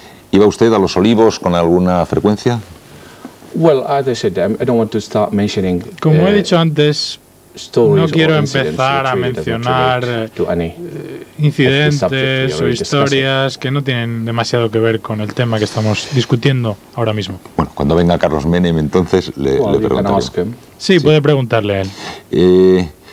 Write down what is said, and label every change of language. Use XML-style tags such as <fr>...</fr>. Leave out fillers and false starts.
<es>¿Iba usted a Los Olivos con alguna frecuencia?</es> <en>Well, as I said, I don't want to start mentioning,</en> <es>como he dicho antes, no quiero empezar a mencionar incidentes o historias que no tienen demasiado que ver con el tema que estamos discutiendo ahora mismo. Bueno, cuando venga Carlos Menem, entonces le preguntaré. Sí, puede preguntarle a él.</es>